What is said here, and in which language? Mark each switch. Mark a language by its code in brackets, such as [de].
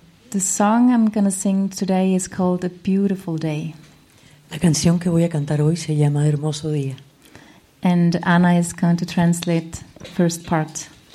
[en] The song I'm going to sing today is called A Beautiful Day. [es] La canción que voy a cantar hoy se llama Hermoso Día. [en] And Anna is going to translate first part.